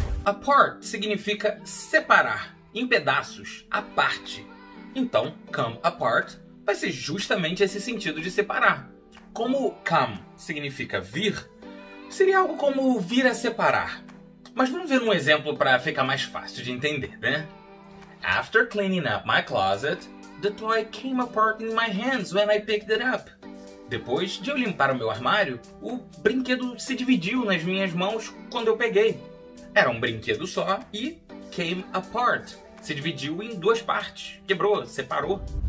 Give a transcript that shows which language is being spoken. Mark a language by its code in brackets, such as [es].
[pt] Apart significa separar, em pedaços, à parte. Então, come apart vai ser justamente esse sentido de separar. Como come significa vir, seria algo como vir a separar. Mas vamos ver um exemplo para ficar mais fácil de entender, né? [en] After cleaning up my closet, the toy came apart in my hands when I picked it up. [pt] Depois de eu limpar o meu armário, o brinquedo se dividiu nas minhas mãos quando eu peguei. Era um brinquedo só e came apart. Se dividiu em duas partes. Quebrou, separou.